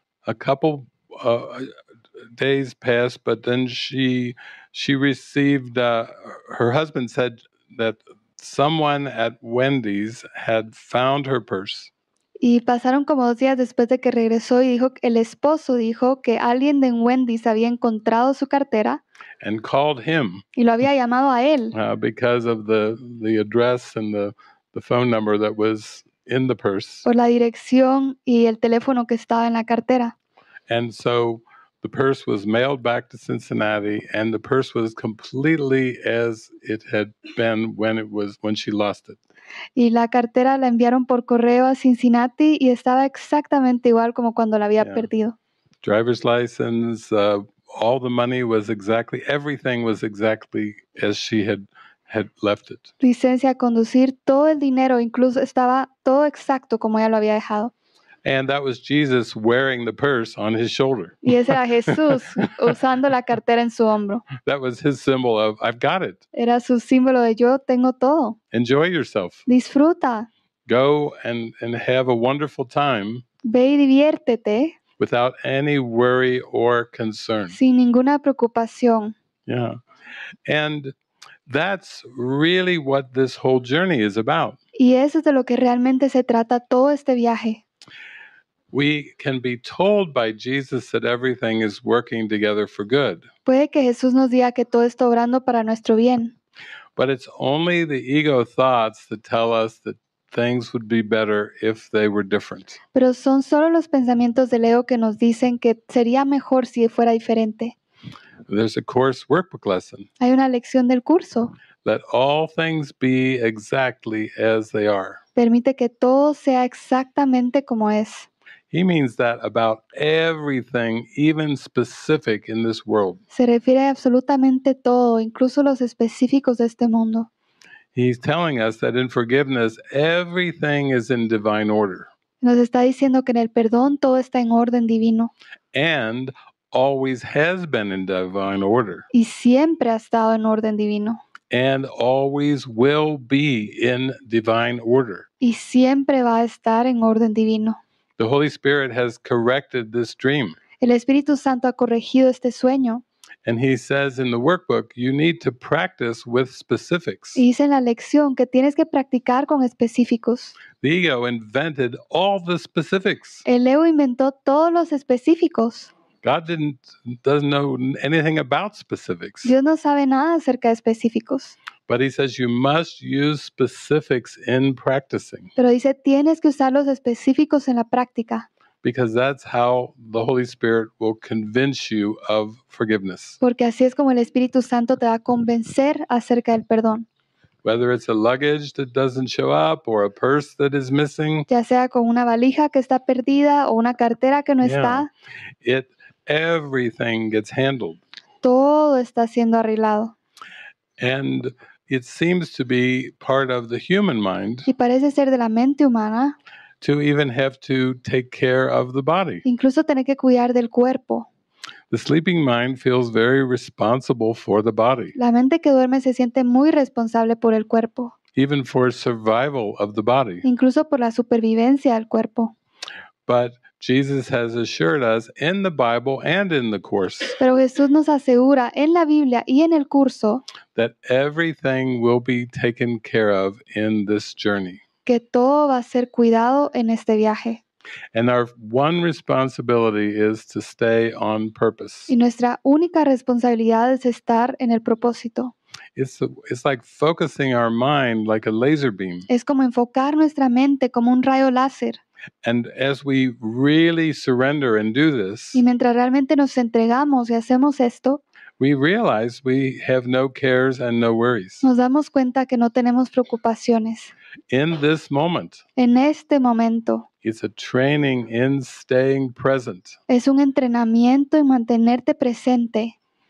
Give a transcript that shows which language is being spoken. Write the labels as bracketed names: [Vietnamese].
[English] a couple days passed, but then she received, her husband said that someone at Wendy's had found her purse. [Spanish] Y pasaron como 2 días después de que regresó y dijo, el esposo dijo que alguien de Wendy's había encontrado su cartera. [English] And called him. [Spanish] Y lo había llamado a él. [English] Because of the address and the phone number that was in the purse. [Spanish] Por la dirección y el teléfono que estaba en la cartera. [English] And so the purse was mailed back to Cincinnati, and the purse was completely as it had been when she lost it. [Spanish] Y la cartera la enviaron por correo a Cincinnati y estaba exactamente igual como cuando la había perdido. [English] Driver's license, all the money was exactly, everything was exactly as she had left it. [Spanish] Licencia a conducir, todo el dinero, incluso estaba todo exacto como ella lo había dejado. [English] And that was Jesus wearing the purse on his shoulder. [Spanish] Y ese era Jesús usando la cartera en su hombro. [English] That was his symbol of, I've got it. [Spanish] Era su símbolo de yo tengo todo. [English] Enjoy yourself. [Spanish] Disfruta. [English] Go and have a wonderful time. [Spanish] Ve y diviértete. [English] Without any worry or concern. [Spanish] Sin ninguna preocupación. Yeah. [English] And that's really what this whole journey is about. [Spanish] Y eso es de lo que realmente se trata todo este viaje. [English] We can be told by Jesus that everything is working together for good. [Spanish] Puede que Jesús nos diga que todo está obrando para nuestro bien. [English] But it's only the ego thoughts that tell us that things would be better if they were different. [Spanish] Pero son solo los pensamientos del ego que nos dicen que sería mejor si fuera diferente. [English] There's a course workbook lesson. [Spanish] Hay una lección del curso. [English] Let all things be exactly as they are. [Spanish] Permite que todo sea exactamente como es. [English] He means that about everything, even specific in this world. [Spanish] Se refiere a absolutamente todo, incluso los específicos de este mundo. [English] He's telling us that in forgiveness, everything is in divine order. [Spanish] Nos está diciendo que en el perdón todo está en orden divino. [English] And always has been in divine order. [Spanish] Y siempre ha estado en orden divino. [English] And always will be in divine order. [Spanish] Y siempre va a estar en orden divino. [English] The Holy Spirit has corrected this dream. [Spanish] El Espíritu Santo ha corregido este sueño. [English] And he says in the workbook, you need to practice with specifics. [Spanish] Y dice en la lección que tienes que practicar con específicos. [English] The ego invented all the specifics. [Spanish] El ego inventó todos los específicos. [English] God doesn't know anything about specifics. [Spanish] Dios no sabe nada acerca de específicos. [English] But he says you must use specifics in practicing. [Spanish] Pero dice tienes que usar los específicos en la práctica. [English] Because that's how the Holy Spirit will convince you of forgiveness. [Spanish] Porque así es como el Espíritu Santo te va a convencer acerca del perdón. [English] Whether it's a luggage that doesn't show up or a purse that is missing. [Spanish] Ya sea con una valija que está perdida o una cartera que no yeah, está. [English] Everything gets handled. [Spanish] Todo está siendo arreglado. [English] And it seems to be part of the human mind. [Spanish] Y parece ser de la mente humana. [English] To even have to take care of the body. [Spanish] Incluso tener que cuidar del cuerpo. [English] The sleeping mind feels very responsible for the body. [Spanish] La mente que duerme se siente muy responsable por el cuerpo. [English] Even for survival of the body. [Spanish] Incluso por la supervivencia del cuerpo. [English] But Jesus has assured us in the Bible and in the course. [Spanish] Pero Jesús nos asegura en la Biblia y en el curso. [English] That everything will be taken care of in this journey. [Spanish] Que todo va a ser cuidado en este viaje. [English] And our one responsibility is to stay on purpose. [Spanish] Y nuestra única responsabilidad es estar en el propósito. [English] It's like focusing our mind like a laser beam. [Spanish] Es como enfocar nuestra mente como un rayo láser. [English] And as we really surrender and do this, [Spanish] y mientras realmente nos entregamos y hacemos esto, [English] we realize we have no cares and no worries. [Spanish] Nos damos cuenta que no tenemos preocupaciones. [English] In this moment. [Spanish] En este momento. [English] It's a training in staying present. [Spanish] Es un entrenamiento en mantenerte presente.